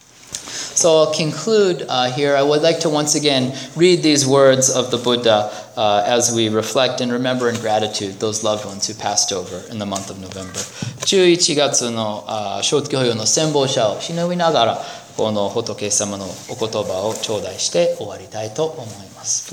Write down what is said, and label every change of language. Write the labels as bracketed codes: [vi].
[en] So I'll conclude here. I would like to once again read these words of the Buddha as we reflect and remember in gratitude those loved ones who passed over in the month of November. [ja] 11月の正月法要の先方者を忍びながら、この仏様のお言葉を頂戴して終わりたいと思います。